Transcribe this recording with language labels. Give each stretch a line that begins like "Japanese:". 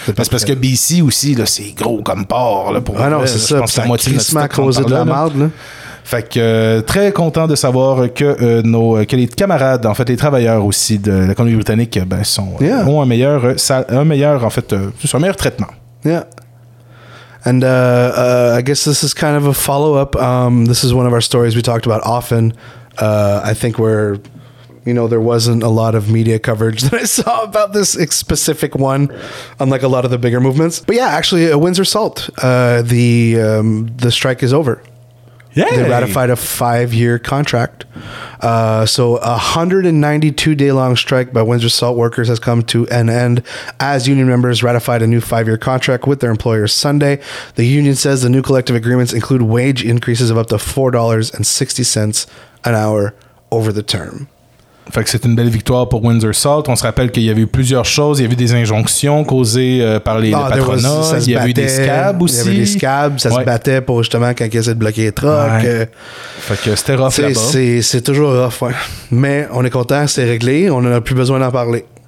French: Parce que BC aussi, là, c'est gros comme port. Là, pour ah non, c'est là, ça. Ça a crissement causé de la marde, là. Fait que très content de savoir que les camarades, en fait, les travailleurs aussi de la Colombie-Britannique, ben, ont un meilleur traitement.
English: Yeah. And I guess this is kind of a follow-up. This is one of our stories we talked about often. I think we're, you know, there wasn't a lot of media coverage that I saw about this specific one, unlike a lot of the bigger movements. But yeah, actually, Windsor Salt, the strike is over. Yay. They ratified a 5-year contract. So a 192-day-long strike by Windsor Salt workers has come to an end as union members ratified a new 5-year contract with their employers Sunday. The union says the new collective agreements include wage increases of up to $4.60 an hour over the term.
French: Fait que c'est une belle victoire pour Windsor Salt. On se rappelle qu'il y avait eu plusieurs choses. Il y avait des injonctions causées par les patronats. Il y avait eu des scabs aussi. Il y avait des scabs. Ça ouais. Se battait pour justement quand ils essaient de bloquer les trucks. Ouais. Fait que c'était rough là-bas. C'est toujours rough, ouais. Mais on est content, c'est réglé. On n'a plus besoin d'en parler.